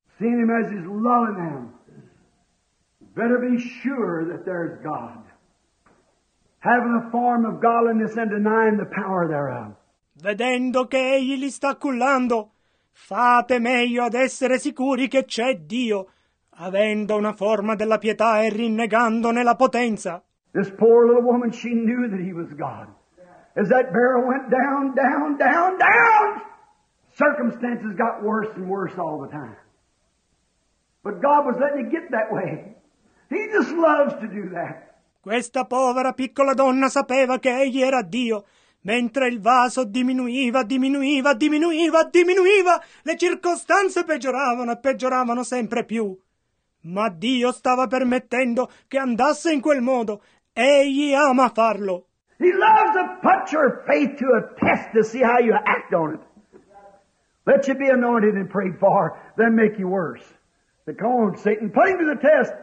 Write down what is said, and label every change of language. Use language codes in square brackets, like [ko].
[en] Seeing him as he's loving them, better be sure that there is God. Having a form of godliness and denying the power thereof. [it] Vedendo che egli li sta cullando, fate meglio ad essere sicuri che c'è Dio, avendo una forma della pietà e rinnegandone la potenza. [en] This poor little woman, she knew that he was God. As that barrel went down, down, down, down, circumstances got worse and worse all the time. But God was letting it get that way. He just loves to do that. [it] Questa povera piccola donna sapeva che egli era Dio. Mentre il vaso diminuiva, diminuiva, diminuiva, diminuiva, le circostanze peggioravano e peggioravano sempre più. Ma Dio stava permettendo che andasse in quel modo. Egli ama farlo. [en] He loves to put your faith to a test to see how you act on it. Let you be anointed and prayed for, then make you worse. But come on, Satan, put him to the test.